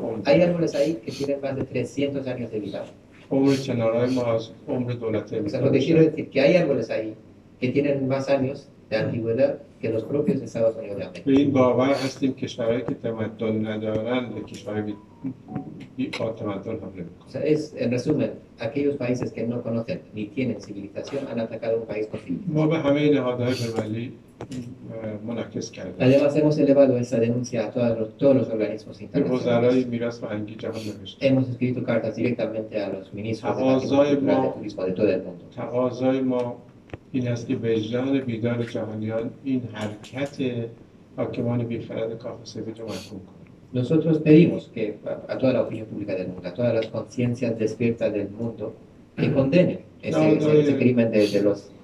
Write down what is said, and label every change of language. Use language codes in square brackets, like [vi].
[es] Hay árboles ahí que tienen más de 300 años de vida. O sea, lo que quiero decir es que hay árboles ahí que tienen más años de antigüedad [fa] که [es] los propios Estados Unidos de América. [fa] این باور هستیم که کشورهایی که تمدن ندارن به کشورهای بی تمدن حمله میکنن. [en] So, [es] es en resumen, aquellos países que no conocen ni tienen civilización han atacado un país con civilización. [fa] ما به همه نهادهای بین‌المللی منعکس کردیم. [es] Además hemos elevado esa denuncia a todos los organismos internacionales. [fa] وزرای میراث فرهنگی جهان نوشتیم. [es] Hemos escrito cartas directamente a los ministros de todo el mundo. [fa] تقاضای ما این است که وجدان بیدار جهانیان این حرکت حاکمان بیخرد کاخ سفید را محکوم کنند. [es] Nosotros pedimos que a toda la opinión pública del mundo, a todas las conciencias despiertas del mundo, que condenen ese crimen de los.